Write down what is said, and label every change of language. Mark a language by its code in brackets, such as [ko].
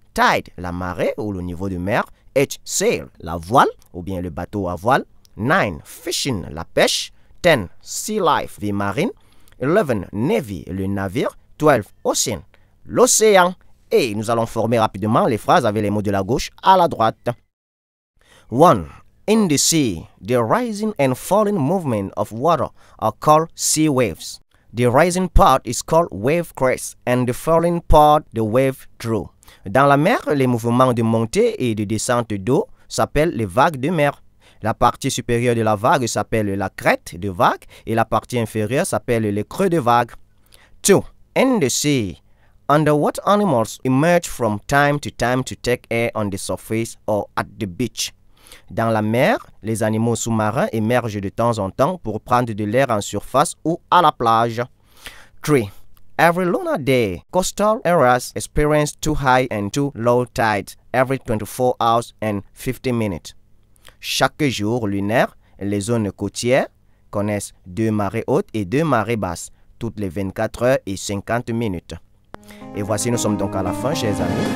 [fr] Tide, la marée ou le niveau de mer. 8. Sail, la voile ou bien le bateau à voile. 9. Fishing, la pêche. 10. [en] Sea life, [fr] vie marine. 11. Navy, le navire. 12. Ocean, l'océan. Et nous allons former rapidement les phrases avec les mots de la gauche à la droite. 1. [en] In the sea, the rising and falling movement of water are called sea waves. The rising part is called wave crest and the falling part the wave trough. [fr] Dans la mer, les mouvements de montée et de descente d'eau s'appellent les vagues de mer. La partie supérieure de la vague s'appelle la crête de vague et la partie inférieure s'appelle le creux de vague. 2. [en] In the sea, underwater animals emerge from time to time to take air on the surface or at the beach. [fr] Dans la mer, les animaux sous-marins émergent de temps en temps pour prendre de l'air en surface ou à la plage. 3. [en] Every lunar day, coastal areas experience too high and too low tides every 24 hours and 50 minutes. [fr] Chaque jour lunaire, les zones côtières connaissent deux marées hautes et deux marées basses, toutes les 24 heures et 50 minutes. Et voici, nous sommes donc à la fin, chers amis.